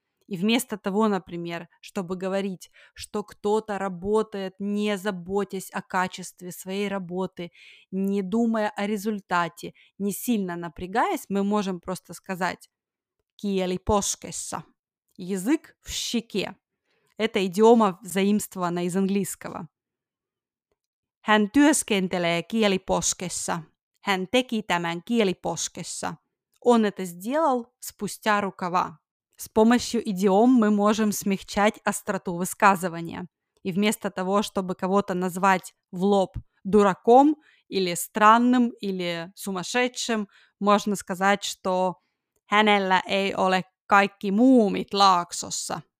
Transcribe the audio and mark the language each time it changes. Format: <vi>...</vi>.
<ru>И вместо того, например, чтобы говорить, что кто-то работает, не заботясь о качестве своей работы, не думая о результате, не сильно напрягаясь, мы можем просто сказать</ru> <fi>«kieli poskessa»</fi> <ru>– «язык в щеке». Это идиома, заимствованная из английского.</ru> <fi>Hän työskentelee kieli poskessa. Hän teki tämän kieli poskessa.</fi> <ru>Он это сделал спустя рукава. С помощью идиом мы можем смягчать остроту высказывания. И вместо того, чтобы кого-то назвать в лоб дураком или странным или сумасшедшим, можно сказать, что</ru> <fi>«Hänellä ei ole kaikki muumit Laaksossa».</fi>